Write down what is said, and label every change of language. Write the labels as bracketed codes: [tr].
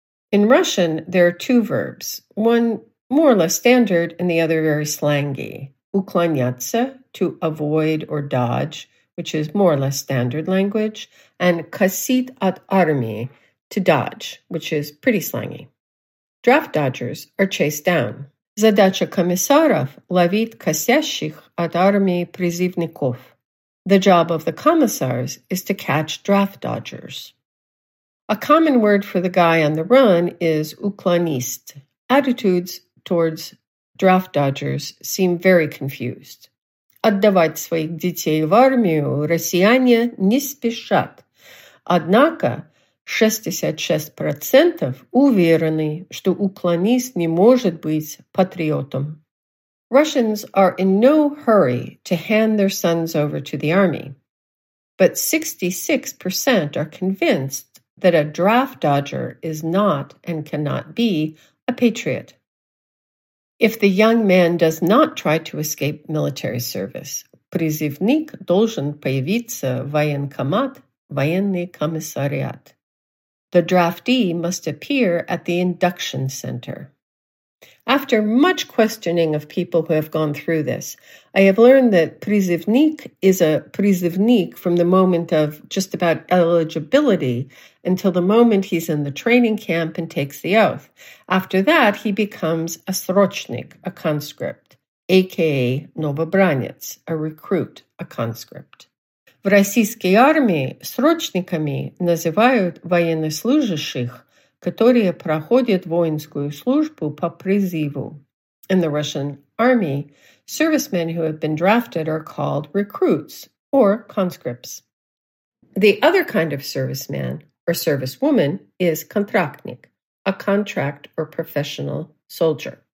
[en] In Russian, there are two verbs, one more or less standard and the other very slangy. Уклоняться, to avoid or dodge, which is more or less standard language, and [ru] косить от армии, [en] to dodge, which is pretty slangy. Draft dodgers are chased down. [ru] Задача комиссаров – ловить косящих от армии призывников. [en] The job of the commissars is to catch draft dodgers. A common word for the guy on the run is уклонист, attitudes towards draft dodgers seem very confused. [ru] Отдавать своих детей в армию россияне не спешат. Однако 66% уверены, что уклонист не может быть патриотом. [en] Russians are in no hurry to hand their sons over to the army. But 66% are convinced that a draft dodger is not and cannot be a patriot. If the young man does not try to escape military service, [ru] призывник должен появиться в военкомат, военный комиссариат. [en] The draftee must appear at the induction center. After much questioning of people who have gone through this, I have learned that призывник is a призывник from the moment of just about eligibility until the moment he's in the training camp and takes the oath. After that, he becomes a срочник, a conscript, aka новобранец, a recruit, a conscript. [ru] В российской армии срочниками называют военнослужащих, которые проходят воинскую службу по призыву. [en] In the Russian army, servicemen who have been drafted are called recruits or conscripts. The other kind of serviceman or servicewoman is контрактник, a contract or professional soldier.